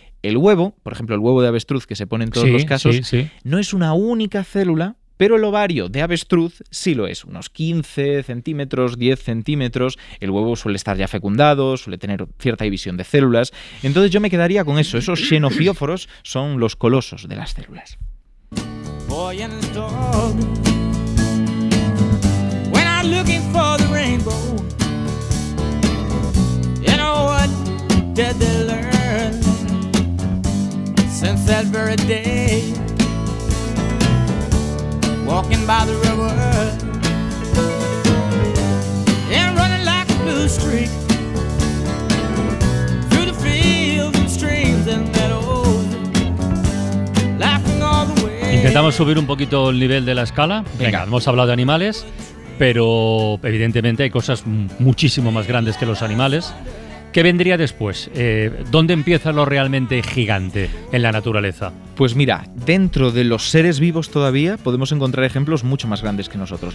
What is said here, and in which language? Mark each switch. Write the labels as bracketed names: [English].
[Spanish] El huevo, por ejemplo, el huevo de avestruz que se pone en todos los casos, no es una única célula, pero el ovario de avestruz sí lo es, unos 15 centímetros, 10 centímetros. El huevo suele estar ya fecundado, suele tener cierta división de células. Entonces yo me quedaría con eso. Esos xenofióforos son los colosos de las células. [English] Boy and the dog, when I'm looking for the rainbow, you know what did they learn since that very day. Walking by the river and running like a blue streak through the fields and streams and meadows, laughing all the way. [Spanish] Intentamos subir un poquito el nivel de la escala. Venga, hemos hablado de animales, pero evidentemente hay cosas muchísimo más grandes que los animales. ¿Qué vendría después? ¿Dónde empieza lo realmente gigante en la naturaleza? Pues mira, dentro de los seres vivos todavía podemos encontrar ejemplos mucho más grandes que nosotros.